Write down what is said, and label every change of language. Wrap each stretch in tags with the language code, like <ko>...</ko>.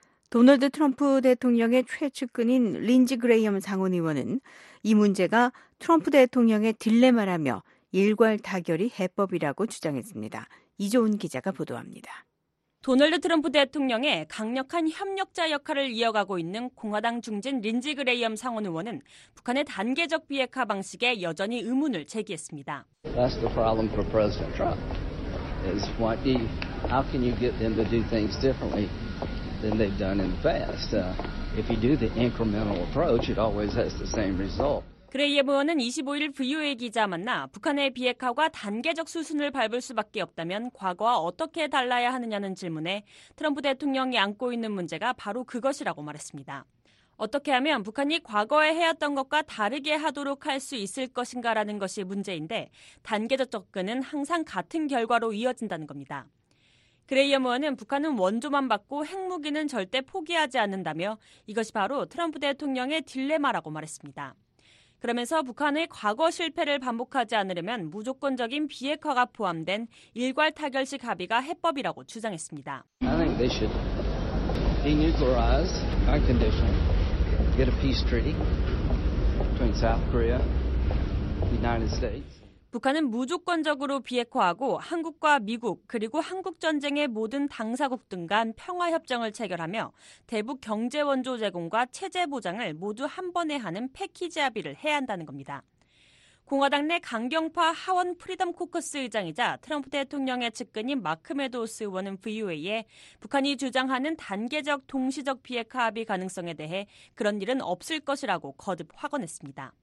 <ko>도널드 트럼프 대통령의 최측근인 린지 그레이엄 상원 의원은 이 문제가 트럼프 대통령의 딜레마라며 일괄 타결이 해법이라고 주장했습니다. 이조은 기자가 보도합니다. 도널드 트럼프 대통령의 강력한 협력자 역할을 이어가고 있는 공화당 중진 린지 그레이엄 상원 의원은 북한의 단계적 비핵화 방식에 여전히 의문을 제기했습니다.</ko> <en>That's the problem for President Trump. Is what he, how can you get them to do things differently? Than they've done in the past. If you do the incremental approach, it always has the same result.</en> <ko>그레이엄 의원은 25일 VOA 기자 만나 북한의 비핵화가 단계적 수순을 밟을 수밖에 없다면 과거와 어떻게 달라야 하느냐는 질문에 트럼프 대통령이 안고 있는 문제가 바로 그것이라고 말했습니다. 어떻게 하면 북한이 과거에 해왔던 것과 다르게 하도록 할 수 있을 것인가라는 것이 문제인데 단계적 접근은 항상 같은 결과로 이어진다는 겁니다. 그레이엄 의원은 북한은 원조만 받고 핵무기는 절대 포기하지 않는다며 이것이 바로 트럼프 대통령의 딜레마라고 말했습니다. 그러면서 북한의 과거 실패를 반복하지 않으려면 무조건적인 비핵화가 포함된 일괄 타결식 합의가 해법이라고 주장했습니다.</ko> <en>I think they should denuclearize our condition, get a peace treaty between South Korea, United States.</en> <ko>북한은 무조건적으로 비핵화하고 한국과 미국 그리고 한국전쟁의 모든 당사국 등 간 평화협정을 체결하며 대북 경제원조 제공과 체제 보장을 모두 한 번에 하는 패키지 합의를 해야 한다는 겁니다. 공화당 내 강경파 하원 프리덤 코커스 의장이자 트럼프 대통령의 측근인 마크 메도스 의원은 VOA에 북한이 주장하는 단계적 동시적 비핵화 합의 가능성에 대해 그런 일은 없을 것이라고 거듭 확언했습니다.</ko>